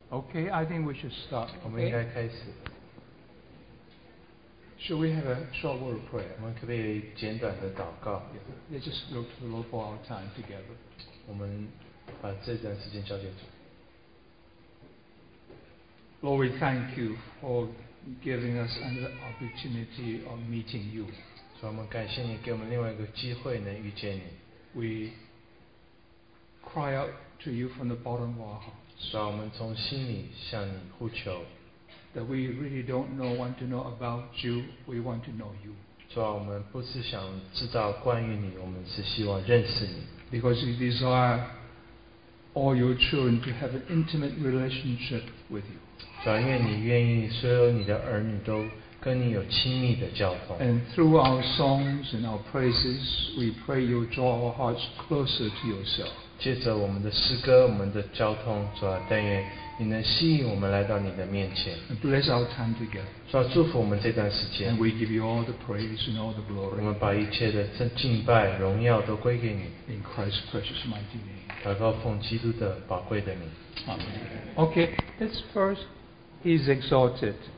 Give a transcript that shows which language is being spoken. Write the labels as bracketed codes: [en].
[en] Okay, I think we should start. [zh] 我们应该开始。 [en] Should we have a short word of prayer? [zh] 我们可不可以简短的祷告？ [en] Let's just look to the Lord for our time together. [zh] 我们把这段时间交给主。 [en] Lord, we thank you for giving us another opportunity of meeting you. [zh] 主，我们感谢你给我们另外一个机会能遇见你。 [en] We cry out to you from the bottom of our heart. [zh] 主啊，我们从心里向你呼求。 [en] That we really don't know, want to know about you, we want to know you. [zh] 主啊，我们不是想知道关于你，我们是希望认识你。 [en] Because we desire all your children to have an intimate relationship with you. [zh] 主啊，因为你愿意所有你的儿女都跟你有亲密的交通。 [en] And through our songs and our praises, we pray you draw our hearts closer to yourself. [zh] 借着我们的诗歌，我们的交通，主啊，但愿你能吸引我们来到你的面前。 [en] Bless our time together. [zh] 主啊，祝福我们这段时间。 [en] And we give you all the praise and all the glory. [zh] 我们把一切的敬拜、荣耀都归给你。 [en] In Christ's precious mighty name. [zh] 祷告奉基督的宝贵的名。 [en] Amen. Okay, let's first, He's exalted.